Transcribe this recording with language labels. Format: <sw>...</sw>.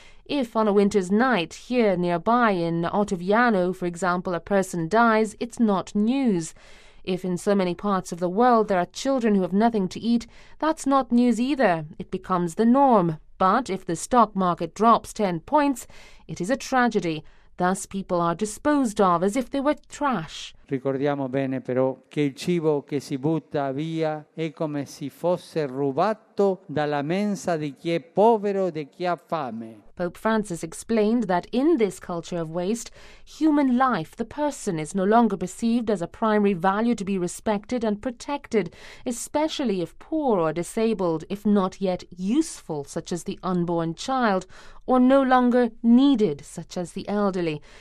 <en>If on a winter's night, here nearby in Ottaviano, for example, a person dies, it's not news. If in so many parts of the world there are children who have nothing to eat, that's not news either. It becomes the norm. But if the stock market drops 10 points, it is a tragedy. Thus, people are disposed of as if they were trash.</en> <it>Ricordiamo bene, però, che il cibo che si butta via è come se fosse rubato dalla mensa di chi è povero e di chi ha fame.</it> <en>Pope Francis explained that in this culture of waste, human life, the person, is no longer perceived as a primary value to be respected and protected, especially if poor or disabled, if not yet useful, such as the unborn child, or no longer needed, such as the elderly.</en>